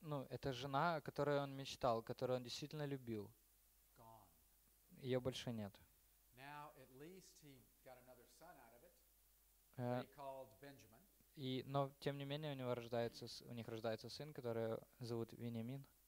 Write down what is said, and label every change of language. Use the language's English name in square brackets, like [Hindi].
[Russian] Это жена, о которой он мечтал, которую он действительно любил. [English] Gone. [Russian] Ее больше нет. [English] Now at least he got another son out of it. He called Benjamin. [Russian] Но, тем не менее, у них рождается сын, который зовут Вениамин.